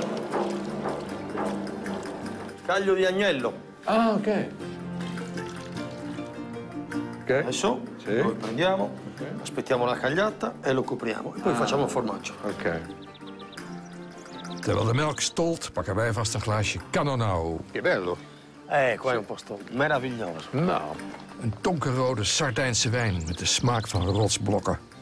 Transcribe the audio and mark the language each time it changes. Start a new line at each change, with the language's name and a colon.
Italian: Allora. Caglio di agnello. Ah, ok. Okay. Adesso sì. Lo prendiamo, okay. Aspettiamo la cagliata e lo copriamo. E poi facciamo il formaggio. Ok.
Dutch: Terwijl de melk stolt, pakken wij vast een glaasje Cannonau.
Italian: Che bello. Qua è un posto meraviglioso.
Dutch: Nou. Een donkerrode Sardijnse wijn met de smaak van rotsblokken.